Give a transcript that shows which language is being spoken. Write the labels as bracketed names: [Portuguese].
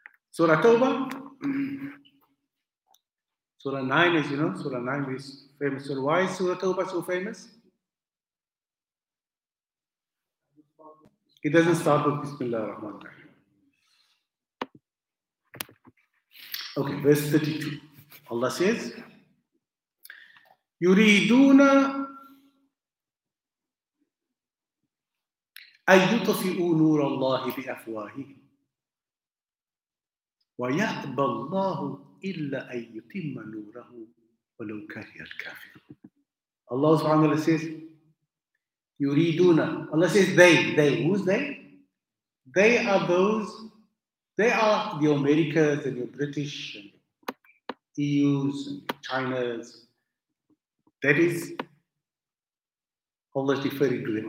[English] Surah Tawbah, Surah 9, as you know, Surah 9 is famous. So why is Surah Tawbah so famous? It doesn't start with Bismillah ar-Rahman ar-Rahim. Okay, verse 32. Allah says, [Arabic] يُرِيدُونَ أَيُّتَفِئُوا نُورَ اللَّهِ بِأَفْوَاهِهِ وَيَأْبَى اللَّهُ إِلَّا أَن يُتِمَّ نُورَهُ وَلَوْ كَرِهَ الْكَافِرُونَ. [English] Allah subhanahu wa ta'ala says, يُرِيدُونَ. Allah says, they, who's they? They are those, they are the Americas and the British and the EUs and the Chinas. That is Allah's referring to them.